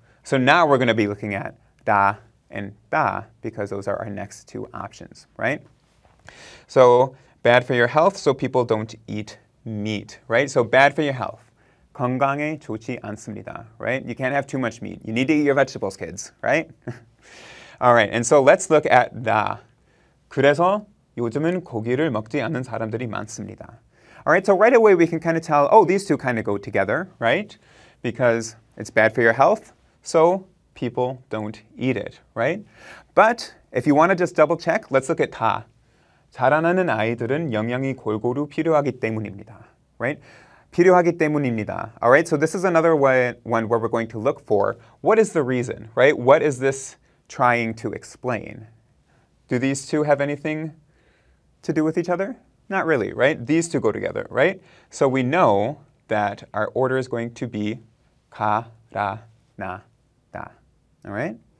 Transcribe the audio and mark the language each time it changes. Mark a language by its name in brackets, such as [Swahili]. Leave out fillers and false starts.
[English] So now we're going to be looking at 다 and 다 because those are our next two options, right? So bad for your health, so people don't eat meat, right? So bad for your health. [Korean] 건강에 좋지 않습니다, [English] right? You can't have too much meat. You need to eat your vegetables, kids, right? All right, and so let's look at 다. [Korean] 그래서 요즘은 고기를 먹지 않는 사람들이 많습니다. [English] All right, so right away we can kind of tell, oh, these two kind of go together, right? Because it's bad for your health, so people don't eat it, right? But if you want to just double check, let's look at 다. [Korean] 자라나는 아이들은 영양이 골고루 필요하기 때문입니다, right? 필요하기 때문입니다. [English] All right, so this is another one where we're going to look for what is the reason, right? What is this trying to explain? Do these two have anything to do with each other? Not really, right? These two go together, right? So we know that our order is going to be 가라나다. All right?